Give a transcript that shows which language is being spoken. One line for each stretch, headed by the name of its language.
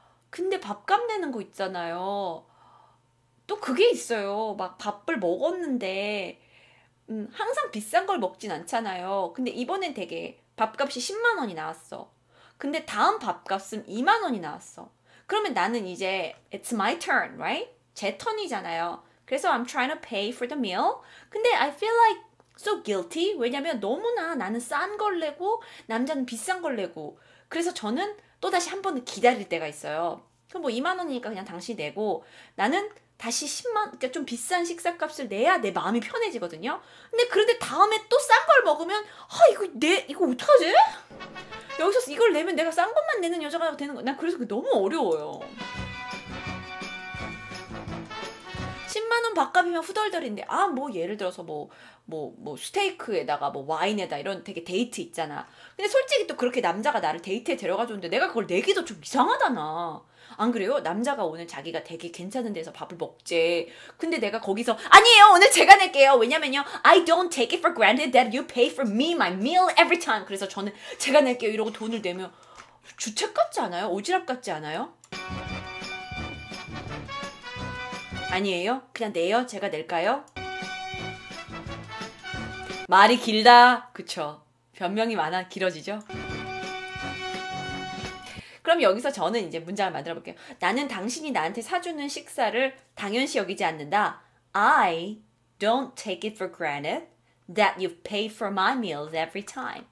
Korean: 근데 밥값 내는 거 있잖아요. 또 그게 있어요. 막 밥을 먹었는데, 항상 비싼 걸 먹진 않잖아요. 근데 이번엔 되게 밥값이 10만 원이 나왔어. 근데 다음 밥값은 2만 원이 나왔어. 그러면 나는 이제
English: it's my turn, right?
Korean: 제 턴이잖아요.
English: 그래서 I'm trying to pay for the meal. 근데 I feel like so guilty.
Korean: 왜냐면 너무나 나는 싼걸 내고 남자는 비싼 걸 내고. 그래서 저는 또 다시 한 번은 기다릴 때가 있어요. 그럼 뭐 2만 원이니까 그냥 당신이 내고 나는 다시 10만, 그러니까 좀 비싼 식사값을 내야 내 마음이 편해지거든요. 근데 그런데 다음에 또싼걸 먹으면 아 이거 어떡하지? 여기서 이걸 내면 내가 싼 것만 내는 여자가 되는 거. 난 그래서 그게 너무 어려워요. 10만 원 밥값이면 후덜덜인데 아뭐 예를 들어서 뭐 스테이크에다가 뭐 와인에다 이런 되게 데이트 있잖아. 근데 솔직히 또 그렇게 남자가 나를 데이트에 데려가 줬는데 내가 그걸 내기도 좀 이상하다나. 안 그래요? 남자가 오늘 자기가 되게 괜찮은 데서 밥을 먹재. 근데 내가 거기서 아니에요. 오늘 제가 낼게요. 왜냐면요.
English: I don't take it for granted that you pay for me my meal every time.
Korean: 그래서 저는 제가 낼게요. 이러고 돈을 내면 주책 같지 않아요? 오지랖 같지 않아요? 아니에요? 그냥 내요? 제가 낼까요? 말이 길다. 그쵸? 변명이 많아 길어지죠? 그럼 여기서 저는 이제 문장을 만들어 볼게요. 나는 당신이 나한테 사주는 식사를 당연시 여기지 않는다.
English: I Don't take it for granted that you pay for my meals every time.